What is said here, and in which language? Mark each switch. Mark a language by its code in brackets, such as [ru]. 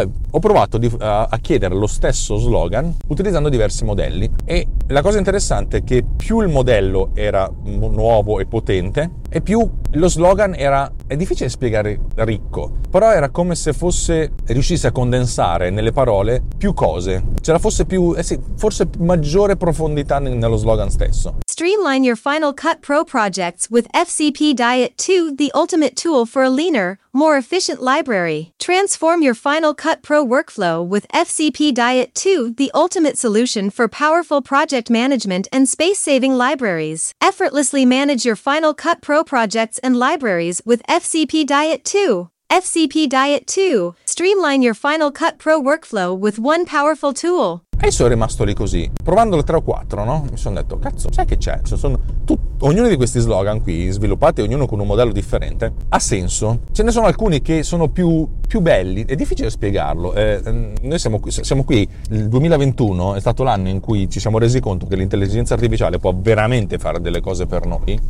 [it] Ho provato a chiedere lo stesso slogan utilizzando diversi modelli, e la cosa interessante è che più il modello era nuovo e potente, e più lo slogan era, è difficile spiegare, ricco, però era come se fosse, riuscisse a condensare nelle parole più cose, c'era fosse più, forse maggiore profondità nello slogan stesso. [en] Streamline your Final Cut Pro projects with FCP Diet 2, the ultimate tool for a leaner, more efficient library. Transform your Final Cut Pro workflow with FCP Diet 2, the ultimate solution for powerful project management and space-saving libraries. Effortlessly manage your Final Cut Pro projects and libraries with FCP Diet 2. FCP Diet 2. Streamline your Final Cut Pro workflow with one powerful tool. [it] E sono rimasto lì così, provandole tre o quattro, no? Mi sono detto, cazzo, sai che c'è? Ognuno di questi slogan qui, sviluppati ognuno con un modello differente, ha senso. Ce ne sono alcuni che sono più belli, è difficile spiegarlo. Noi siamo qui, il 2021 è stato l'anno in cui ci siamo resi conto che l'intelligenza artificiale può veramente fare delle cose per noi.